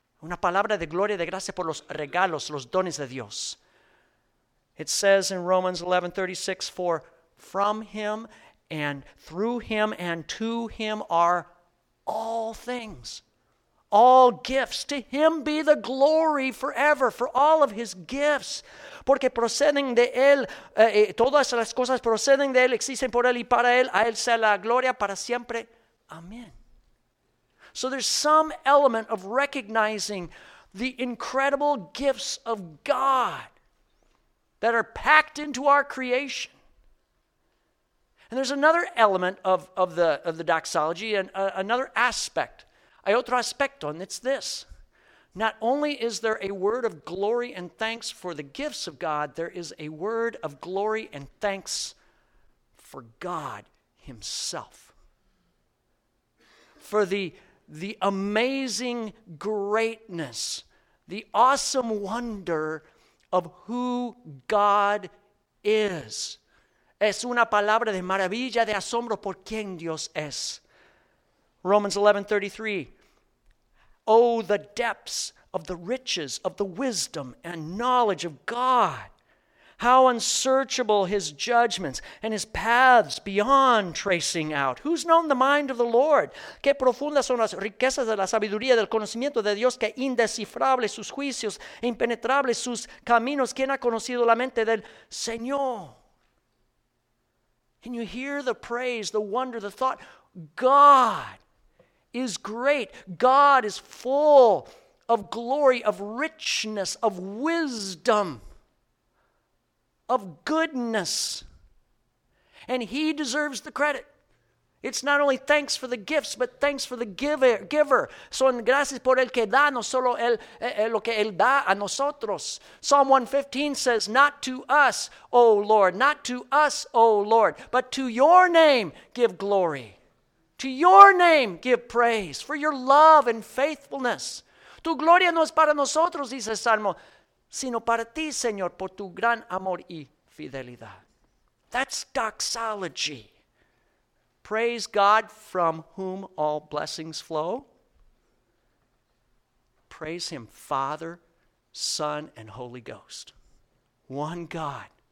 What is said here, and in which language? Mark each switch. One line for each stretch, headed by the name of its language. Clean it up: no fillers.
Spanish: Una palabra de gloria y de gracia por los regalos, los dones de Dios.
English: It says in Romans 11:36, "For from Him and through Him and to Him are all things, all gifts. To Him be the glory forever for all of His gifts."
Spanish: Porque proceden de Él, todas las cosas proceden de Él, existen por Él y para Él, a Él sea la gloria para siempre.
English: Amen. So there's some element of recognizing the incredible gifts of God that are packed into our creation. And there's another element of the doxology, and another aspect.
Spanish: Hay otro aspecto,
English: and it's this. Not only is there a word of glory and thanks for the gifts of God, there is a word of glory and thanks for God Himself. For the amazing greatness, the awesome wonder of who God is.
Spanish: Es una palabra de maravilla, de asombro por quien Dios es.
English: Romans 11:33. Oh, the depths of the riches of the wisdom and knowledge of God. How unsearchable his judgments and his paths beyond tracing out. Who's known the mind of the Lord?
Spanish: Qué profundas son las riquezas de la sabiduría del conocimiento de Dios, que indescifrables sus juicios, impenetrables sus caminos. ¿Quién ha conocido la mente del Señor?
English: And you hear the praise, the wonder, the thought. God is great. God is full of glory, of richness, of wisdom, of goodness. And he deserves the credit. It's not only thanks for the gifts, but thanks for the giver.
Spanish: Son gracias por el que da, no solo el lo que él da a nosotros.
English: Psalm 115 says, not to us, O Lord, not to us, O Lord, but to your name give glory. To your name give praise for your love and faithfulness.
Spanish: Tu gloria no es para nosotros, dice el Salmo, sino para ti, Señor, por tu gran amor y fidelidad.
English: That's doxology. Praise God from whom all blessings flow. Praise him, Father, Son, and Holy Ghost. One God.